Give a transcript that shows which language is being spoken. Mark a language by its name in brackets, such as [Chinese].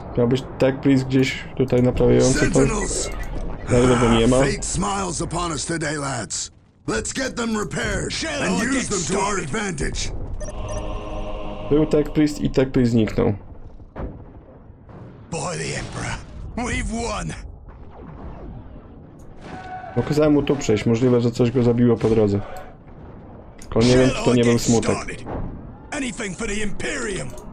[Polish] Miałbyś Tech Priest gdzieś tutaj naprawiający to? [English] Sentinels! [Polish] Nie ma. [English] Fate smiles upon us today, lads. Let's get them repaired and use them to our advantage. [Polish] Był Tech Priest i Tech Priest zniknął. [English] By the Emperor, we've won. [Polish] Pokazałem mu tu przejść. Możliwe, że coś go zabiło po drodze. Tylko nie wiem, czy to nie był smutek. [English] Anything for the Imperium.